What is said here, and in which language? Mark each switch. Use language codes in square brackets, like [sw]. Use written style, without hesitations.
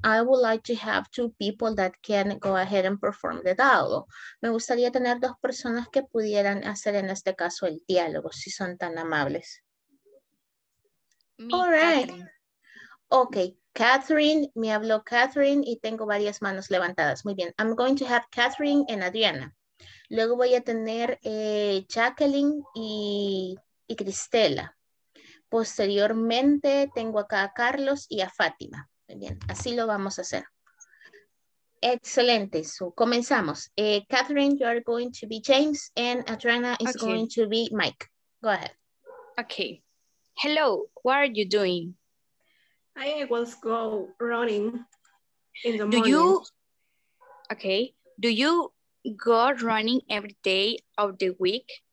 [en] I would like to have two people that can go ahead and perform the dialogue. [es] Me gustaría tener dos personas que pudieran hacer en este caso el diálogo, si son tan amables. [en] All right. Okay. [es] Catherine, me habló Catherine y tengo varias manos levantadas. Muy bien, [en] I'm going to have Catherine and Adriana. [es] Luego voy a tener Jacqueline y Cristela. Posteriormente tengo acá a Carlos y a Fátima. Muy bien, así lo vamos a hacer. Excelente, so comenzamos. [en] Catherine, you are going to be James and Adriana is okay. Going to be Mike. Go ahead. Okay. Hello, what are you doing? I was go running in the Do you go running every day of the week?